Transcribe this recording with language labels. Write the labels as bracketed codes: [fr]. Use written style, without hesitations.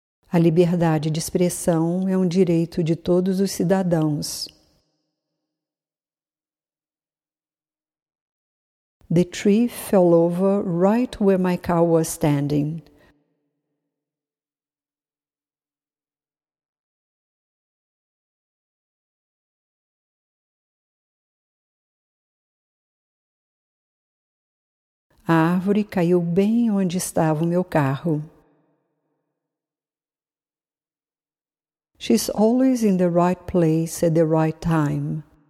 [pt] A liberdade de expressão é um direito de todos os cidadãos. [en] The tree fell over right where my car was standing. [pt] A árvore caiu bem onde estava o meu carro. [en] She's always in the right place at the right time.